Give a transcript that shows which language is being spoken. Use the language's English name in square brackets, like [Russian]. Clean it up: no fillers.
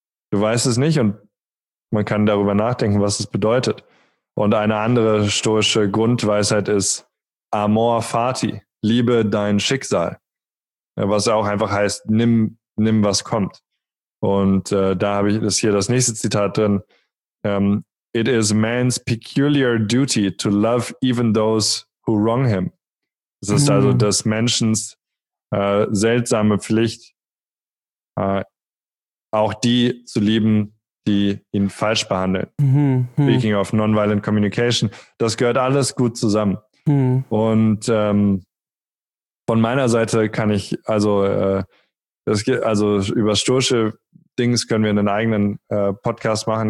[German] Du weißt es nicht und man kann darüber nachdenken, was es bedeutet. Und eine andere stoische Grundweisheit ist Amor Fati, liebe dein Schicksal. Was auch einfach heißt, nimm was kommt. Und das hier das nächste Zitat drin. [English] It is man's peculiar duty to love even those who wrong him. [German] Es ist also des Menschens seltsame Pflicht, auch die zu lieben, die ihn falsch behandeln. Mhm. [English] Speaking of nonviolent communication, [German] das gehört alles gut zusammen. Mhm. Und von meiner Seite kann ich, also über stoische Dings können wir einen eigenen Podcast machen.